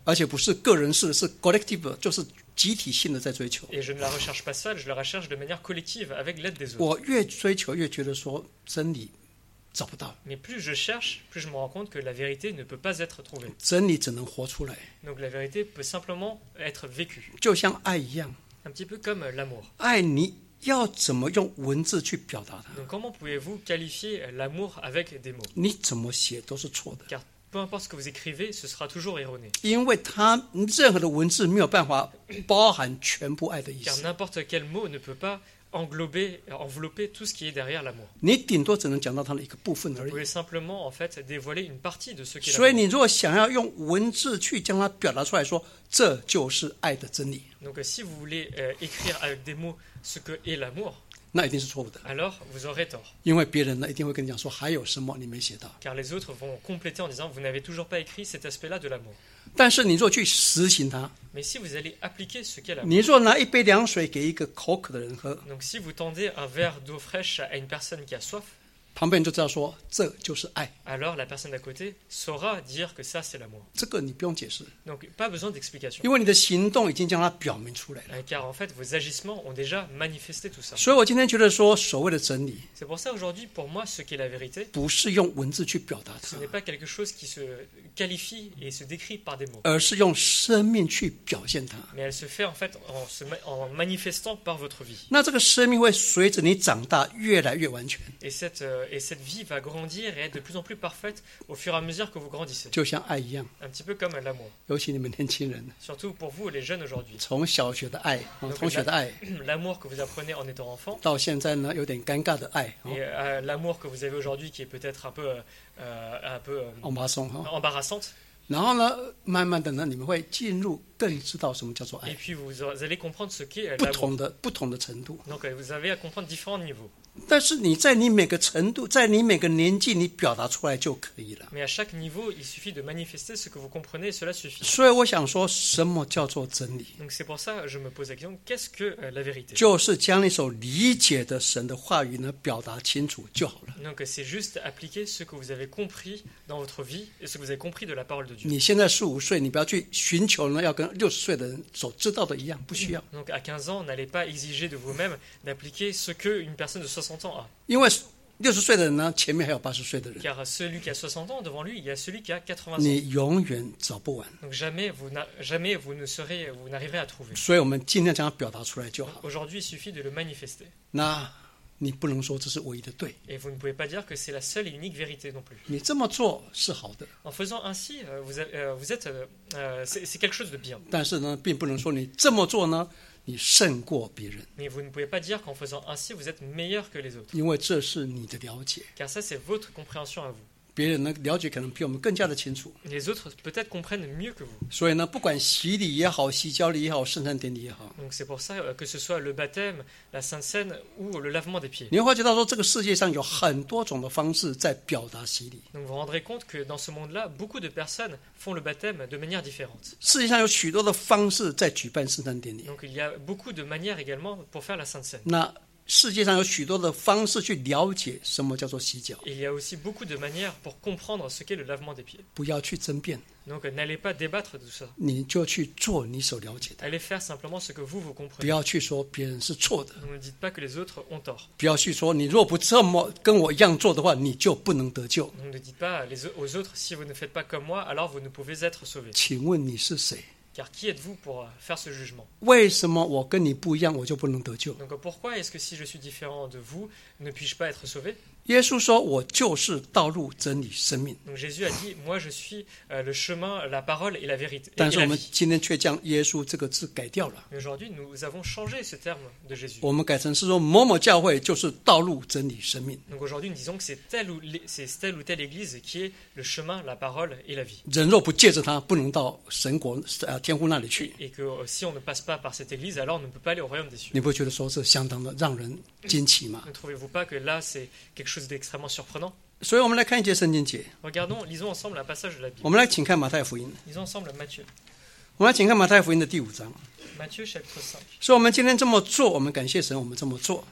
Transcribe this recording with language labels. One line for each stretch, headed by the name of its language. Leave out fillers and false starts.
Chinese: 而且不是个人式，是 collective， 就是集体性的在追求。
French: Et je ne la recherche pas seule, je la recherche de manière collective avec l'aide des autres.
Chinese: 我越追求越觉得说真理找不到。
French: Mais plus je cherche, plus je me rends compte que la vérité ne peut pas être trouvée.
Chinese: 真理只能活出来。
French: Donc la vérité peut simplement être vécue.
Chinese: 就像爱一样。
French: Un petit peu comme l'amour.
Chinese: 爱你要怎么用文字去表达它
French: ？Donc comment pouvez-vous qualifier l'amour avec des mots？
Chinese: 你怎么写都是错的。
French: Peu importe ce que vous écrivez, ce sera toujours erroné.
Chinese: 因为它任何的文字没有办法包含全部爱的意思。
French: Car n'importe quel mot ne peut pas envelopper tout ce qui est derrière l'amour.
Chinese: 你顶多只能讲到它的一个部分而已。
French: Vous pouvez simplement en fait dévoiler une partie de ce qui est.
Chinese: 所以你如果想要用文字去将它表达出来说，这就是爱的真理。
French: Donc si vous voulez écrire avec des mots ce que est l'amour.
Chinese: 那一定是错误的。
French: Alors, vous aurez tort.
Chinese: 因为别人呢一定会跟你讲说还有什么你没写到。
French: Car les autres vont compléter en disant vous n'avez toujours pas écrit cet aspect-là de l'amour.
Chinese: 但是你若去实行它。
French: Mais si vous allez appliquer ce qu'est l'amour.
Chinese: 你若拿一杯凉水给一个口渴的人喝。
French: Donc si vous tendez un verre d'eau fraîche à une personne qui a soif.
Chinese: 旁边就知道说这就是爱。
French: Alors la personne d'à côté saura dire que ça c'est l'amour.
Chinese: 这个你不用解释。
French: Donc pas besoin d'explication.
Chinese: 因为你的行动已经将它表明出来了。
French: Car en fait vos agissements ont déjà manifesté tout ça.
Chinese: 所以我今天觉得说所谓的真理。
French: C'est pour ça aujourd'hui pour moi ce qu'est la vérité.
Chinese: 不是用文字去表达它。
French: Ce n'est pas quelque chose qui se qualifie et se décrit par des mots.
Chinese: 而是用生命去表现它。
French: Mais elle se fait en fait en manifestant par votre vie.
Chinese: 那这个生命会随着你长大越来越完全。
French: Et cette vie va grandir et être de plus en plus parfaite au fur et à mesure que vous grandissez.
Chinese: 就像爱一样。
French: Un petit peu comme l'amour.
Chinese: 尤其你们年轻人。
French: Surtout pour vous, les jeunes aujourd'hui.
Chinese: 从小学的爱，同学的爱。
French: L'amour que vous apprenez en étant enfant.
Chinese: 到现在呢，有点尴尬的爱。
French: Et l'amour que vous avez aujourd'hui qui est peut-être un peu embarrassant. Embarrassante.
Chinese: 然后呢，慢慢的呢，你们会进入更知道什么叫做爱。
French: Et puis vous allez comprendre ce qu'est
Chinese: l'amour. 不同的程度。
French: Donc vous avez à comprendre différents niveaux.
Chinese: 但是你在你每个程度，在你每个年纪，你表达出来就可以了。
French: Mais à chaque niveau, il suffit de manifester ce que vous comprenez, cela suffit.
Chinese: 所以我想说，什么叫做真理
French: ？Donc c'est pour ça que je me pose la question, qu'est-ce que la vérité？
Chinese: 就是将你所理解的神的话语呢，表达清楚就好了。
French: Donc c'est juste appliquer ce que vous avez compris dans votre vie et ce que vous avez compris de la parole de Dieu.
Chinese: 你现在十五岁，你不要去寻求呢，要跟60岁的人所知道的一样，不需要。
French: Donc à 15 ans, n'allez pas exiger de vous-même d'appliquer ce que une personne de 60 ans a.
Chinese: 因为60岁的人呢，前面还有80岁的人。
French: Car celui qui a 60 ans devant lui, il y a celui qui a 80 ans.
Chinese: 你永远找不完。
French: Donc jamais vous n'arriverez à trouver.
Chinese: 所以我们尽量将它表达出来就好。
French: Aujourd'hui, il suffit de le manifester.
Chinese: 那你不能说这是唯一的对。
French: Et vous ne pouvez pas dire que c'est la seule et unique vérité non plus.
Chinese: 你这么做是好的。
French: En faisant ainsi, vous êtes, c'est quelque chose de bien.
Chinese: 但是呢，并不能说你这么做呢，你胜过别人。
French: Mais vous ne pouvez pas dire qu'en faisant ainsi, vous êtes meilleur que les autres.
Chinese: 因为这是你的了解。
French: Car ça, c'est votre compréhension à vous.
Chinese: 别人呢，了解可能比我们更加的清楚。
French: Les autres peut-être comprennent mieux que vous.
Chinese: 所以呢，不管洗礼也好，洗脚礼也好，圣餐典礼也好。
French: Donc c'est pour ça que ce soit le baptême, la sainte cène ou le lavement des pieds.
Chinese: 你会觉得说，这个世界上有很多种的方式在表达洗礼。
French: Donc vous rendrez compte que dans ce monde-là, beaucoup de personnes font le baptême de manière différente.
Chinese: 世界上有许多的方式在举办圣餐典礼。
French: Donc il y a beaucoup de manières également pour faire la sainte cène.
Chinese: 那世界上有许多的方式去了解什么叫做洗脚。
French: Il y a aussi beaucoup de manières pour comprendre ce qu'est le lavement des pieds.
Chinese: 不要去争辩。
French: Donc n'allez pas débattre de ça.
Chinese: 你就去做你所了解的。
French: Allez faire simplement ce que vous comprenez.
Chinese: 不要去说别人是错的。
French: Ne dites pas que les autres ont tort.
Chinese: 不要去说你若不这么跟我一样做的话，你就不能得救。
French: Ne dites pas aux autres si vous ne faites pas comme moi, alors vous ne pouvez être sauvés.
Chinese: 请问你是谁？
French: Car qui êtes-vous pour faire ce jugement ?
Chinese: 为什么我跟你不一样，我就不能得救？
French: Donc pourquoi est-ce que si je suis différent de vous, ne puis-je pas être sauvé ?
Chinese: 耶稣说，我就是道路、真理、生命。
French: Donc Jésus a dit, moi je suis le chemin, la parole et la vérité.
Chinese: 但是我们今天却将耶稣这个字改掉了。
French: Mais aujourd'hui nous avons changé ce terme de Jésus.
Chinese: 我们改成是说某某教会就是道路、真理、生命。
French: Donc aujourd'hui nous disons que c'est telle ou telle église qui est le chemin, la parole et la vie.
Chinese: 人若不借着它，不能到神国天父那里去。
French: Et que si on ne passe pas par cette église, alors on ne peut pas aller au royaume des cieux.
Chinese: 你不觉得说这相当的让人惊奇吗？
French: Ne trouvez-vous pas que là c'est quelque chose d'extrêmement surprenant.
Chinese: 所以我们来看一节圣经节。
French: Regardons, lisons ensemble un passage de la Bible.
Chinese: 我们来请看马太福音。
French: Lisons ensemble Matthieu.
Chinese: 我们来请看马太福音的第五章。
French: Matthieu chapitre 5.
Chinese: 所以我们今天这么做，我们感谢神，我们这么做。